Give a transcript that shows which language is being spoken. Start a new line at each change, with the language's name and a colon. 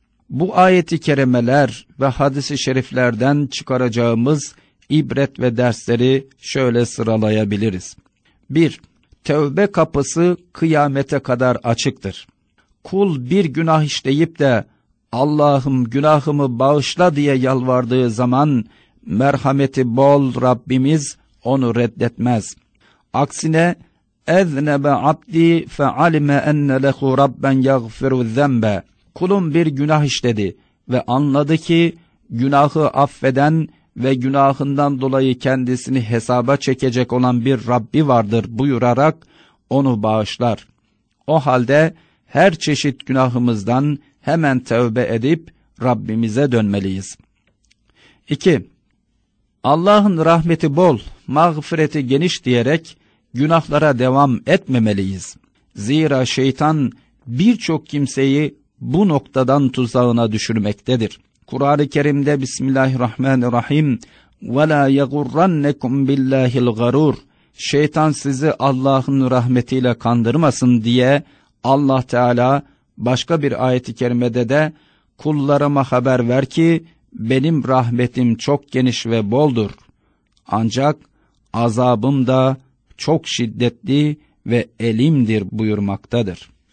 Turkish: Bu ayeti kerimeler ve hadis-i şeriflerden çıkaracağımız ibret ve dersleri şöyle sıralayabiliriz. 1. Tevbe kapısı kıyamete kadar açıktır. Kul bir günah işleyip de Allah'ım günahımı bağışla diye yalvardığı zaman merhameti bol Rabbimiz onu reddetmez. Aksine
Arabic: اَذْنَبَ عَبْدِي فَعَلِمَ اَنَّ لَهُ رَبَّنْ يَغْفِرُ الذَّنْبَ.
Turkish: Kulum bir günah işledi ve anladı ki günahı affeden ve günahından dolayı kendisini hesaba çekecek olan bir Rabbi vardır buyurarak onu bağışlar. O halde her çeşit günahımızdan hemen tövbe edip Rabbimize dönmeliyiz. 2. Allah'ın rahmeti bol, mağfireti geniş diyerek günahlara devam etmemeliyiz. Zira şeytan birçok kimseyi bu noktadan tuzağına düşürmektedir. Kur'an-ı Kerim'de
Arabic: Bismillahirrahmanirrahim وَلَا يَغُرَّنَّكُمْ بِاللّٰهِ الْغَرُورِ.
Turkish: Şeytan sizi Allah'ın rahmetiyle kandırmasın diye Allah Teala başka bir ayet-i kerimede de kullarıma haber ver ki benim rahmetim çok geniş ve boldur. Ancak azabım da çok şiddetli ve elimdir buyurmaktadır.